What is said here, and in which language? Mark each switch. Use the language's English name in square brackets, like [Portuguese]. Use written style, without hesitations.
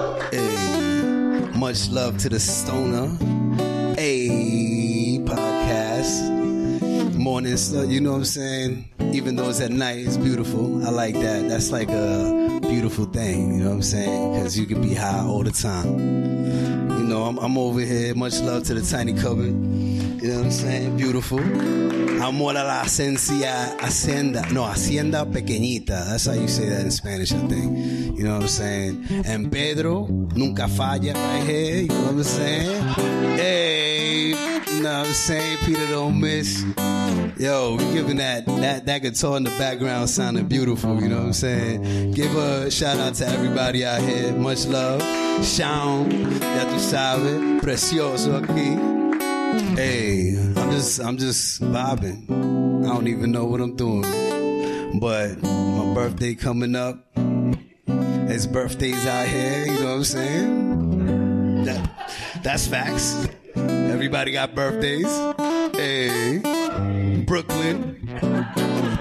[English] Hey, much love to the Stoner. Hey, podcast. Morning stuff, you know what I'm saying? Even though it's at night, it's beautiful. I like that. That's like a beautiful thing, you know what I'm saying? Because you can be high all the time. You know, I'm over here. Much love to the tiny cupboard. You know what I'm saying? Beautiful. [Spanish] Amor a la esencia hacienda. No, hacienda pequeñita. [English] That's how you say that in Spanish, I think. You know what I'm saying? And Pedro, [Spanish] nunca falla [English] right here. You know what I'm saying? Hey, you know what I'm saying? Peter don't miss. Yo, giving that guitar in the background sounded beautiful. You know what I'm saying? Give a shout out to everybody out here. Much love. [Spanish] Shaun, ya tu sabes, precioso aquí. [English] Hey, I'm just vibing. I don't even know what I'm doing. But my birthday coming up. It's birthdays out here, you know what I'm saying? That's facts. Everybody got birthdays. Hey, Brooklyn.